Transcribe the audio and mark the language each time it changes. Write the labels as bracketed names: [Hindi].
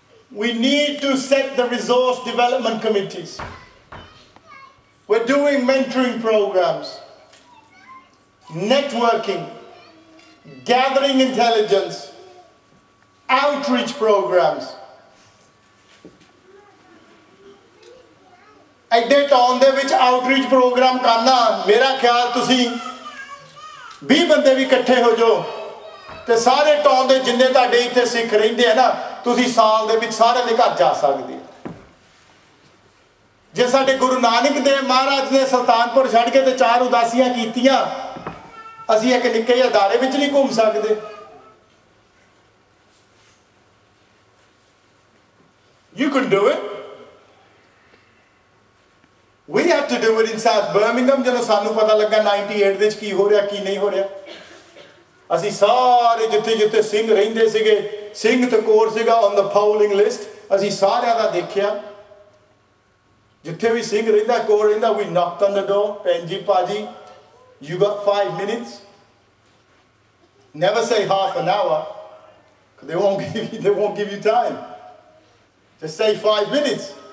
[English] We need to set the resource development committees. We're doing mentoring programs, networking, gathering intelligence, outreach programs. [Punjabi] ਐਡੇ town ਦੇ ਵਿੱਚ outreach programme ਕਰਨਾ ਮੇਰਾ ਖਿਆਲ ਤੁਸੀਂ 20 ਬੰਦੇ ਵੀ ਇਕੱਠੇ ਹੋ ਜਾਓ ਤੇ ਸਾਰੇ ਟੌਨ ਦੇ ਜਿੰਨੇ ਤੁਹਾਡੇ ਇੱਥੇ ਸਿੱਖ ਰਹਿੰਦੇ ਆ ਨਾ, ਤੁਸੀਂ ਸਾਲ ਦੇ ਵਿੱਚ ਸਾਰਿਆਂ ਦੇ ਘਰ ਜਾ ਸਕਦੇ। ਜੇ ਸਾਡੇ ਗੁਰੂ ਨਾਨਕ ਦੇਵ ਮਹਾਰਾਜ ਨੇ ਸੁਲਤਾਨਪੁਰ ਛੱਡ ਕੇ ਤੇ ਚਾਰ ਉਦਾਸੀਆਂ ਕੀਤੀਆਂ, ਅਸੀਂ ਇੱਕ ਨਿੱਕੇ ਜਿਹੇ ਅਦਾਰੇ ਵਿੱਚ ਨਹੀਂ ਘੁੰਮ ਸਕਦੇ। [English] You can do it. We have to do it in South Birmingham. [Punjabi] ਜਦੋਂ ਸਾਨੂੰ ਪਤਾ ਲੱਗਾ 98 ਵਿੱਚ ਕੀ ਹੋ ਰਿਹਾ ਕੀ ਨਹੀਂ ਹੋ ਰਿਹਾ, ਅਸੀਂ ਸਾਰੇ ਜਿੱਥੇ ਜਿੱਥੇ ਸਿੰਘ ਰਹਿੰਦੇ ਸੀਗੇ, ਸਿੰਘ ਤੇ ਕੋਰ ਸੀਗਾ [English] on the following list, [Punjabi] ਅਸੀਂ ਸਾਰਿਆਂ ਦਾ ਦੇਖਿਆ। ਜਿੱਥੇ ਵੀ ਸਿੰਘ ਰਹਿੰਦਾ ਕੋਰ ਰਹਿੰਦਾ, [English] we knock on the door, [Punjabi] ਭੈਣ ਜੀ ਭਾਅ ਜੀ [English] You got 5 minutes, never say half an hour, they won't give you time, just say 5 minutes.